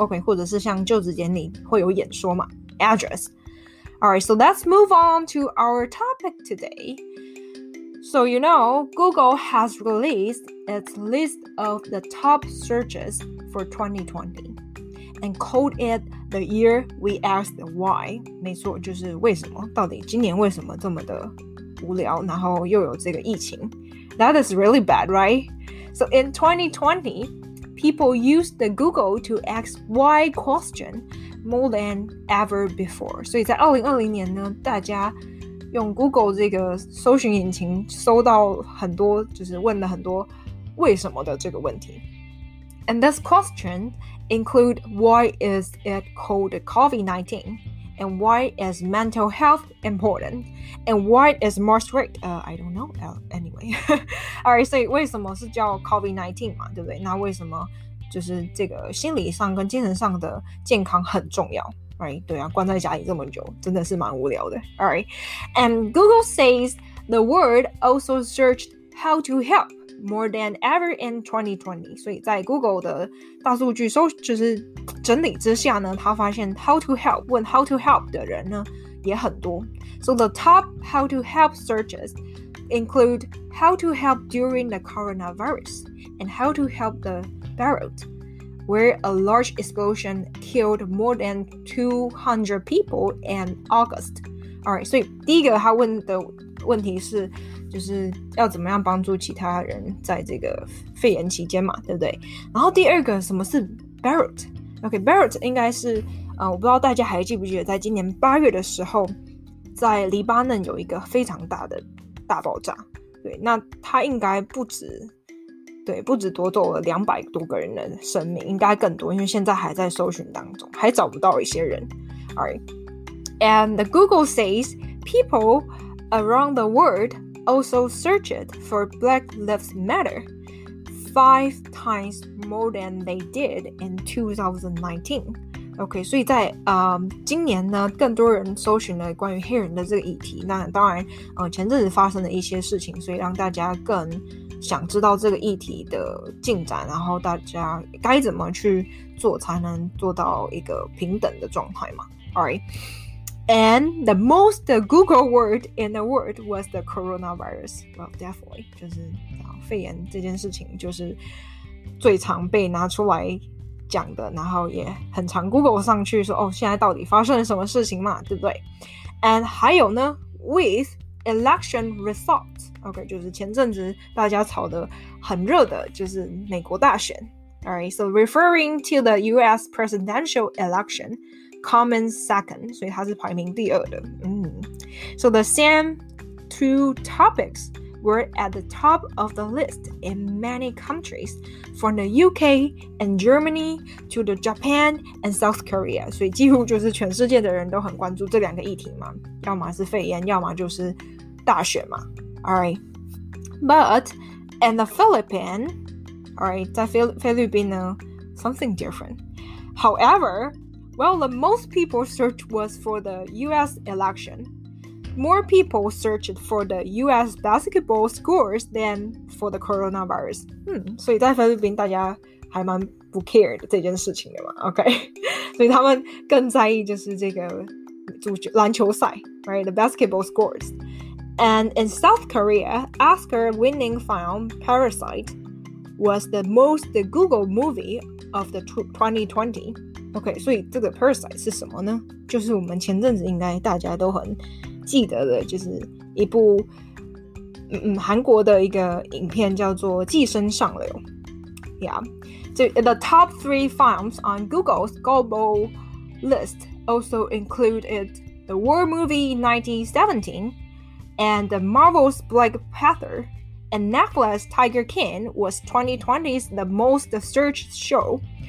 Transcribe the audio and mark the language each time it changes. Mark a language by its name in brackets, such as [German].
[Chinese] Okay, 或者是像就职典礼会有演说嘛 ？ [English] Address. Alright, so let's move on to our topic today. So you know, Google has released its list of the top searches for 2020, and called it. The year we asked why. [Chinese] 没错，就是为什么，到底今年为什么这么的无聊，然后又有这个疫情。 [English] That is really bad, right? So in 2020, people used the Google to ask why question more than ever before. [Chinese] 所以在2020年呢，大家用 Google 这个搜寻引擎搜到很多，就是问了很多为什么的这个问题。 [English] And this question... include why is it called COVID-19 and why is mental health important and why is Mars right? I don't know. Anyway. Alright, [Chinese] 所以为什么是叫 COVID-19 嘛，对不对？那为什么就是这个心理上跟精神上的健康很重要 ？ [English] Right? [Chinese] 对啊，关在家里这么久，真的是蛮无聊的。 [English] Alright, and Google says the word also searched how to help. More than ever in 2020. [Chinese] 所以在 Google 的大数据搜就是整理之下呢，他发现 [English] how to help [Chinese] 问 how to help 的人呢也很多。 [English] So the top how to help searches include how to help during the coronavirus and how to help the barrel. where a large explosion killed more than 200 people in August. [Chinese] Alright, 所以第一个他问的问题是就是要怎么样帮助其他人在这个肺炎期间嘛，对不对？然后第二个什么是 Barrett？ OK， Barrett 应该是我不知道大家还记不记得，在今年八月的时候，在黎巴嫩有一个非常大的大爆炸。对，那他应该不止，对，不止夺走了200多个人的生命，应该更多，因为现在还在搜寻当中，还找不到一些人。 [English] Alright, and the Google says people around the world also searched for Black Lives Matter five times more than they did in 2019. [Chinese] Okay, 所以在今年呢，更多人搜寻了关于黑人的这个议题。那当然，前阵子发生的一些事情，所以让大家更想知道这个议题的进展，然后大家该怎么去做才能做到一个平等的状态嘛。 [English] Alright. And the most Google word in the world was the coronavirus. Well, definitely, [Chinese] 就是肺炎这件事情就是最常被拿出来讲的，然后也很常 Google 上去说，哦，现在到底发生了什么事情嘛，对不对？ [English] And [Chinese] 还有呢 [English] ，with election results. [Chinese] Okay, 就是前阵子大家吵得很热的，就是美国大选。 [English] All right, so referring to the U.S. presidential election. Common second, [Chinese] 所以它是排名第二的。 [English] So the same two topics were at the top of the list in many countries, from the UK and Germany to the Japan and South Korea. [Chinese] 所以几乎就是全世界的人都很关注这两个议题嘛，要么是肺炎，要么就是大选嘛。 [English] All right, but in the Philippines, all right, [Chinese] 在菲律宾呢 [English] something different. However. Well, the most people search was for the U.S. election. More people searched for the U.S. basketball scores than for the coronavirus. [Chinese] 所以在菲律宾大家还蛮不 care 的这件事情的嘛 ,OK? 所以他们更在意就是这个篮球赛 , [English] right? The basketball scores. And in South Korea, Oscar winning film Parasite was the most Googled movie of the 2020. [Chinese] OK, 所以这个 Parasite 是什么呢？就是我们前阵子应该大家都很记得的，就是一部韩国的一个影片叫做《寄生上流》。 [English] Yeah, so the top three films on Google's global list also included the war movie 1917 and the Marvel's Black Panther and Netflix's Tiger King was 2020's the most searched show.